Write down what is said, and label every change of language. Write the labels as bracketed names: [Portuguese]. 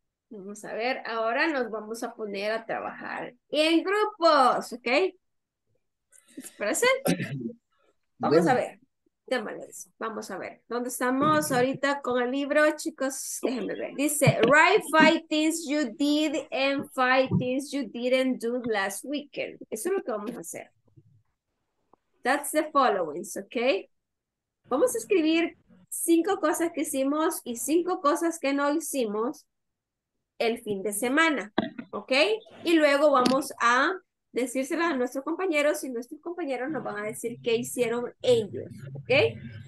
[Spanish] Vamos a ver, ahora nos vamos a poner a trabajar en grupos, ¿ok? ¿Present? Vamos a Bien. ver, démosle eso. Vamos a ver, ¿dónde estamos ahorita con el libro, chicos? Déjenme ver. Dice, [English] write 5 things you did and 5 things you didn't do last weekend. [Spanish] Eso es lo que vamos a hacer. [English] That's the followings, [Spanish] ¿ok? Vamos a escribir 5 cosas que hicimos y 5 cosas que no hicimos el fin de semana, ¿ok? Y luego vamos a decírselas a nuestros compañeros y nuestros compañeros nos van a decir qué hicieron ellos, ¿ok?